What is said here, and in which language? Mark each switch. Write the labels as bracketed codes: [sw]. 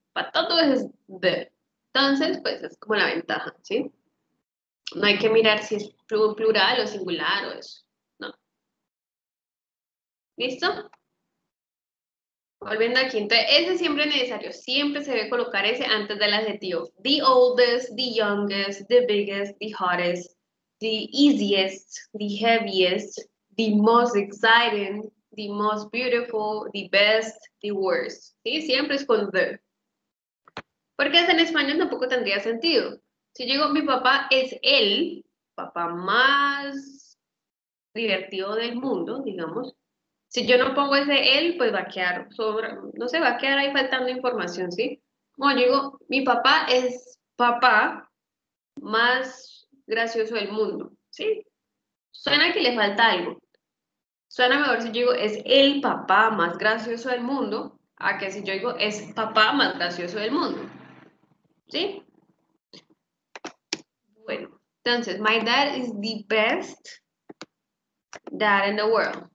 [es] Para todo es the. Entonces, pues, es como la ventaja, ¿sí? No hay que mirar si es plural o singular o eso, ¿no? ¿Listo? Volviendo aquí, entonces, ese siempre es necesario, siempre se debe colocar ese antes del adjetivo. [en] The oldest, the youngest, the biggest, the hottest, the easiest, the heaviest, the most exciting, the most beautiful, the best, the worst. [es] ¿Sí? Siempre es con the. Porque en español tampoco tendría sentido. Si digo mi papá es el papá más divertido del mundo, digamos. Si yo no pongo ese él, pues va a quedar sobre, no sé, va a quedar ahí faltando información, ¿sí? Como yo digo, mi papá es papá más gracioso del mundo, ¿sí? Suena que le falta algo. Suena mejor si yo digo, es el papá más gracioso del mundo, a que si yo digo, es papá más gracioso del mundo. ¿Sí? Bueno, entonces, [en] my dad is the best dad in the world.